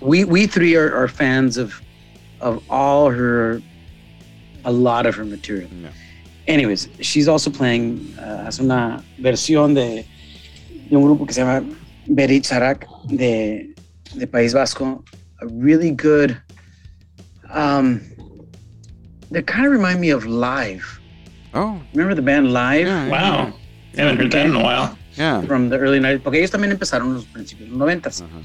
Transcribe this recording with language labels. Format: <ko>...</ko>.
<en>We three are fans of all her, a lot of her material. Yeah. Anyways, she's also playing,</en> <es>hace una versión de un grupo que se llama Berit Zarak de País Vasco.</es> <en>A really good, they kind of remind me of Live. Oh. Remember the band Live? Yeah, wow. Yeah. Haven't heard that in a while. Yeah. From the early 90s.</en> <es>Porque ellos también empezaron en los principios de los 90s.</es>